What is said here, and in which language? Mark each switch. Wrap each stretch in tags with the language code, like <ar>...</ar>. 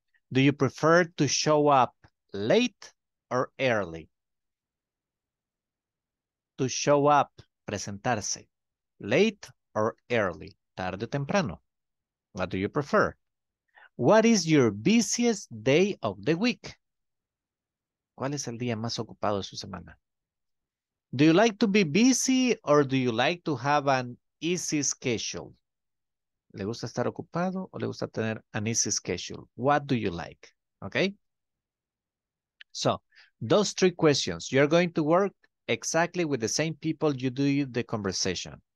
<en>Do you prefer to show up late or early? to show up, presentarse, late or early,</en> <es>tarde o temprano?</es> <en>What do you prefer? What is your busiest day of the week?</en> <es>¿Cuál es el día más ocupado de su semana?</es> <en>Do you like to be busy or do you like to have an easy schedule?</en> <es>¿Le gusta estar ocupado o le gusta tener</es> <en>an easy schedule? What do you like? Okay? So, those three questions. You're going to work exactly with the same people you do the conversation.</en>